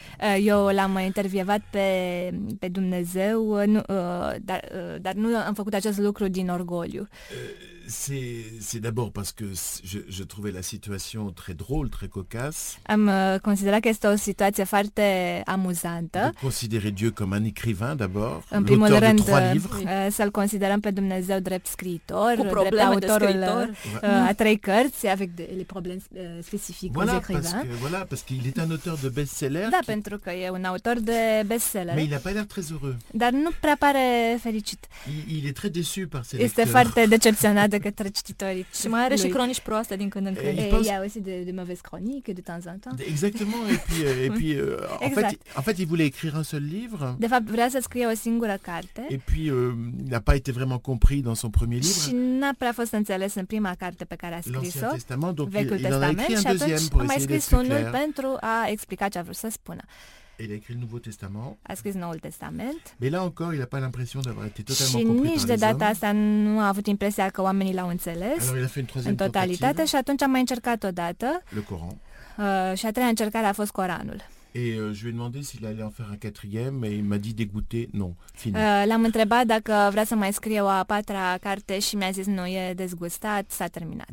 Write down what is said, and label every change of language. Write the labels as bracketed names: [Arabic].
[Romanian] Eu l-am intervievat pe Dumnezeu, dar nu am făcut acest lucru din orgoliu. [French] C'est d'abord parce que je trouvais la situation très drôle, très cocasse. [Romanian] Am considérat că este o situație foarte amuzantă. [French] De considérer Dieu comme un écrivain d'abord, [Romanian] în primul [French] l'auteur [Romanian] rând, [French] de trois livres. [Romanian] Să-l considerăm pe Dumnezeu drept scriitor, drept autorul a trei cărți, [French] avec les problèmes spécifiques aux écrivains. Voilà, parce qu'il est un auteur de best-seller. [Romanian] Da, pentru că e un autor de best-seller. [French] Mais il n'a pas l'air très heureux. [Romanian] Dar nu prea pare fericit. [French] Il est très déçu par ses [Romanian] lecteurs. Este foarte decepționat. De către cititorii. Și mai are și cronici proaste din când în când. [French] Il y a aussi de mauvaises chroniques de temps en temps. Exactement. Et puis en fait il voulait écrire un seul livre. [Romanian] De fapt, vrea să scrie o singură carte. [French] Et puis il n'a pas été vraiment compris dans son premier livre. [Romanian] Și n-a prea fost înțeles în prima carte pe care a scris-o. [French] L'Ancien Testament, donc il en a écrit un deuxième pour essayer d'être clair. [Romanian] Unul pentru a explica ce a vrut să spună. [French] Il a écrit le Nouveau Testament. [Romanian] A scris Noul Testament. [French] Mais là encore, il n'a pas l'impression d'avoir été totalement compris. [Romanian] Și nici de data asta nu a avut impresia că oamenii l-au înțeles. [French] Alors il a fait une troisième [Romanian] în totalitate și atunci am mai încercat o dată. [French] Le Coran. [Romanian] Și a treia încercare a fost Coranul. [French] Et je lui ai demandé s'il allait en faire un quatrième et il m'a dit dégoûté, non, fini. [Romanian] L-am întrebat dacă vrea să mai scrie o a patra carte și mi-a zis nu, e dezgustat, s-a terminat.